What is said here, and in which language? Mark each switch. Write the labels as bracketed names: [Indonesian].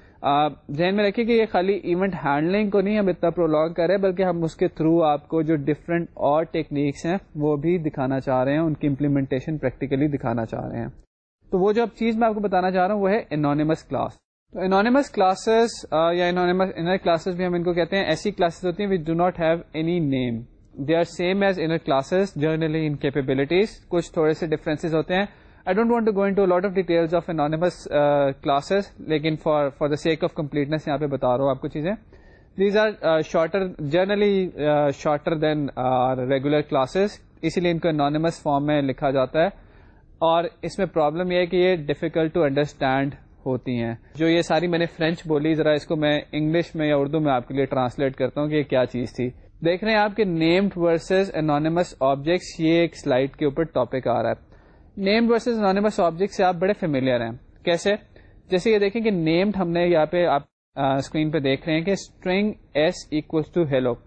[Urdu] ذہن میں رکھیں کہ یہ خالی ایونٹ ہینڈلنگ کو نہیں ہم اتنا پرولونگ کر رہے بلکہ ہم اس کے تھرو آپ کو جو ڈفرینٹ اور ٹیکنیکس ہیں وہ بھی دکھانا چاہ رہے ہیں, ان کی امپلیمنٹیشن پریکٹیکلی دکھانا چاہ رہے ہیں. تو وہ جو اب چیز میں آپ کو بتانا چاہ رہا ہوں وہ ہے انونیمس کلاس. تو انونیمس کلاسز یا انونیمس انر کلاسز بھی ہم ان کو کہتے ہیں, ایسی کلاسز ہوتی ہیں [English] Which do not have any name, they are same as inner classes generally in capabilities. [Urdu] کچھ تھوڑے سے ڈفرینسز ہوتے ہیں. [English] I don't want to go into a lot of details of anonymous classes, لیکن for the sake of completeness [Urdu] یہاں پہ بتا رہا ہوں آپ کو چیزیں. [English] These are shorter, generally shorter than regular classes, [Urdu] اسی لیے ان کو anonymous form میں لکھا جاتا ہے. اور اس میں پرابلم یہ ہے کہ یہ [English] difficult to understand [Urdu] ہوتی ہیں. جو یہ ساری میں نے فرینچ بولی, ذرا اس کو میں انگلش میں یا اردو میں آپ کے لیے ٹرانسلیٹ کرتا ہوں کہ یہ کیا چیز تھی. دیکھ رہے ہیں آپ کے نیمڈ ورسز انانیمس آبجیکٹس, یہ ایک سلائڈ کے اوپر ٹاپک آ رہا ہے. نیمڈ ورسز انانیمس آبجیکٹ سے آپ بڑے فیملیئر ہیں. کیسے؟ جیسے یہ دیکھیں کہ نیمڈ ہم نے یہاں پہ آپ اسکرین پہ دیکھ رہے ہیں کہ اسٹرنگ ایس اکوس ٹو ہیلو.